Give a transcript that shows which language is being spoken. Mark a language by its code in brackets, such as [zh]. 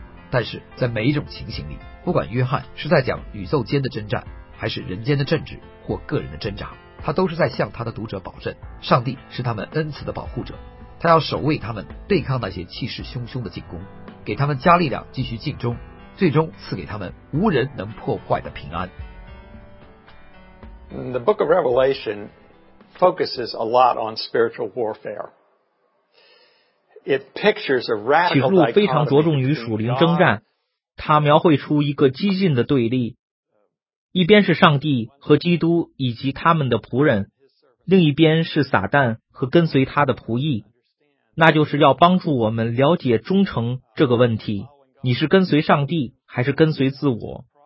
[zh] 但是在每一种情形里，不管约翰是在讲宇宙间的征战，还是人间的政治或个人的挣扎，他都是在向他的读者保证，上帝是他们恩慈的保护者，他要守卫他们，对抗那些气势汹汹的进攻，给他们加力量继续进忠，最终赐给他们无人能破坏的平安。 [en] The book of Revelation focuses a lot on spiritual warfare. It pictures a radical [zh] 启示录非常着重于属灵征战，它描绘出一个激进的对立，一边是上帝和基督以及他们的仆人，另一边是撒旦和跟随他的仆役，那就是要帮助我们了解忠诚这个问题，你是跟随上帝还是跟随自我。